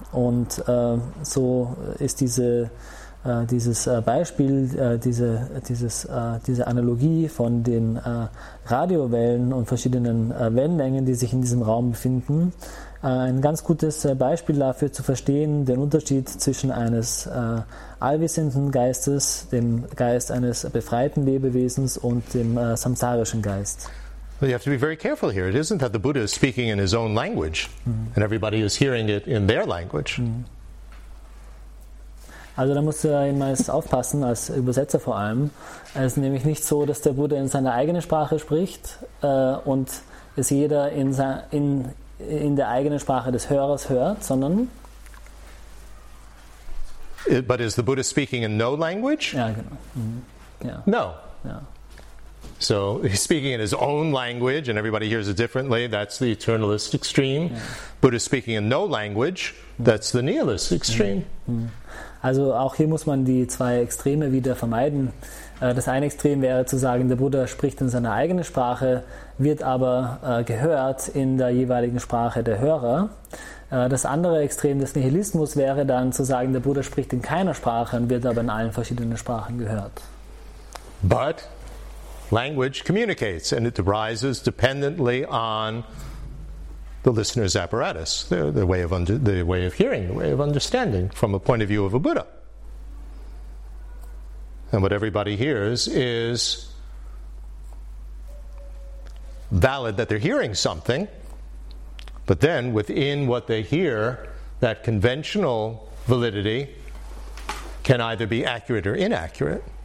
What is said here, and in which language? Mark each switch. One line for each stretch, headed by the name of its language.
German: Und so ist diese Analogie von den Radiowellen und verschiedenen Wellenlängen, die sich in diesem Raum befinden, ein ganz gutes Beispiel dafür zu verstehen, den Unterschied zwischen eines allwissenden Geistes, dem Geist eines befreiten Lebewesens und dem samsarischen Geist.
English: Well, you have to be very careful here. It isn't that the Buddha is speaking in his own language and everybody is hearing it in their language.
German: Also da musst du ja immer aufpassen, als Übersetzer vor allem. Es ist nämlich nicht so, dass der Buddha in seiner eigenen Sprache spricht und es jeder in der eigenen Sprache des Hörers hört, sondern...
English: But is the Buddha speaking in no language?
German: Ja, genau.
English: No.
German: Ja.
English: So he's speaking in his own language and everybody hears it differently. That's the eternalist extreme.
German: Ja.
English: Buddha speaking in no language, that's the nihilist extreme.
German: Ja. Also auch hier muss man die zwei Extreme wieder vermeiden. Das eine Extrem wäre zu sagen, der Buddha spricht in seiner eigenen Sprache, wird aber gehört in der jeweiligen Sprache der Hörer. Das andere Extrem des Nihilismus wäre dann zu sagen, der Buddha spricht in keiner Sprache und wird aber in allen verschiedenen Sprachen gehört.
English: But language communicates and it arises dependently on the listener's apparatus, the way of hearing, the way of understanding, from a point of view of a Buddha. And what everybody hears is valid that they're hearing something, but then within what they hear, that conventional validity can either be accurate or inaccurate.